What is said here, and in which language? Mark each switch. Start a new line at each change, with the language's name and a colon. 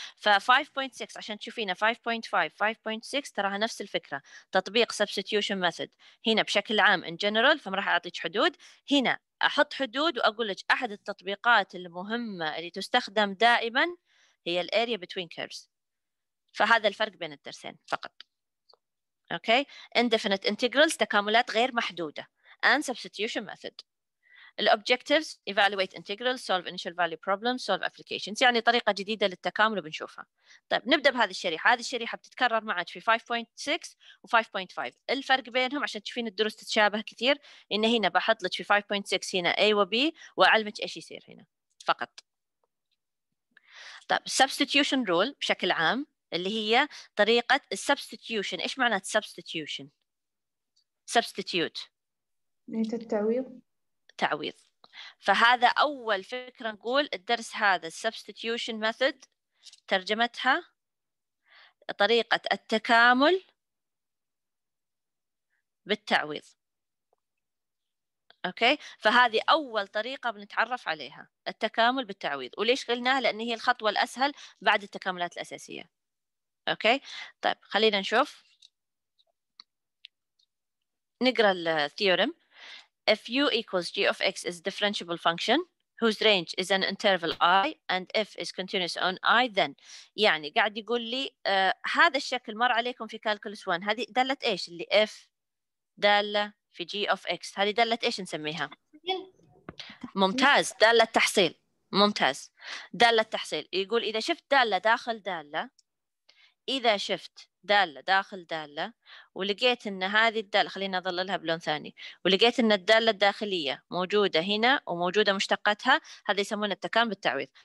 Arabic: ف 5.6 عشان تشوفينه 5.5 5.6 تراها نفس الفكرة، تطبيق substitution method هنا بشكل عام
English: in general،
Arabic: فما راح أعطيك حدود. هنا أحط حدود وأقول لك أحد التطبيقات المهمة اللي تستخدم دائما هي الـ area between curves. فهذا الفرق بين الدرسين فقط. أوكي indefinite integrals تكاملات غير محدودة
English: and substitution method. The objectives: evaluate integrals, solve initial value problems, solve applications.
Arabic: يعني طريقة جديدة للتكامل وبنشوفها. طيب نبدأ بهذه الشريحة. هذه الشريحة بتتكرر معك في 5.6 و 5.5. الفرق بينهم عشان تشوفين الدروس تتشابه كثير، إن هنا بحط لك في 5.6 هنا A و B وأعلمك إيش يصير هنا فقط. طيب substitution rule بشكل عام اللي هي طريقة substitution. إيش معنى substitution؟ substitute. نيت التعويض. تعويض. فهذا أول فكرة نقول الدرس هذا substitution method ترجمتها طريقة التكامل بالتعويض. أوكي فهذه أول طريقة بنتعرف عليها، التكامل بالتعويض. وليش قلناها؟ لأن هي الخطوة الأسهل بعد التكاملات الأساسية. أوكي طيب خلينا نشوف، نقرأ الثيورم.
English: If u equals g of x is a differentiable function whose range is an interval I and f is continuous on I then.
Arabic: يعني قاعد يقول لي هذا الشكل مر عليكم في calculus 1، هذه دالة ايش اللي f دالة في g of x، هذه دالة ايش نسميها؟ ممتاز دالة تحصيل. ممتاز دالة تحصيل. يقول اذا شفت دالة داخل دالة، إذا شفت دالة داخل دالة ولقيت أن هذه الدالة، خلينا أظللها بلون ثاني، ولقيت أن الدالة الداخلية موجودة هنا وموجودة مشتقتها، هذا يسمونه التكامل بالتعويض.